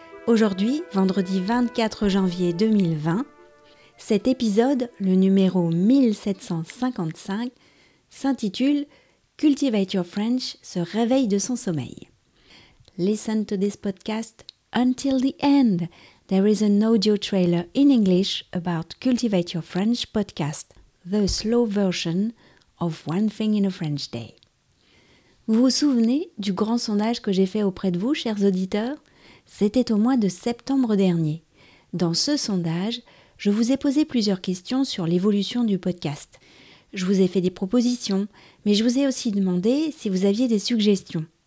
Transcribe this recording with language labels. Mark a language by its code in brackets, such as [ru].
[fr] Aujourd'hui, vendredi 24 janvier 2020, cet épisode, le numéro 1755, s'intitule « Cultivate your French, se réveille de son sommeil ». [en] Listen to this podcast until the end. There is an audio trailer in English about Cultivate Your French podcast, the slow version of One Thing in a French Day. [fr] Vous vous souvenez du grand sondage que j'ai fait auprès de vous, chers auditeurs ? C'était au mois de septembre dernier. Dans ce sondage, je vous ai posé plusieurs questions sur l'évolution du podcast. Je vous ai fait des propositions, mais je vous ai aussi demandé si vous aviez des suggestions.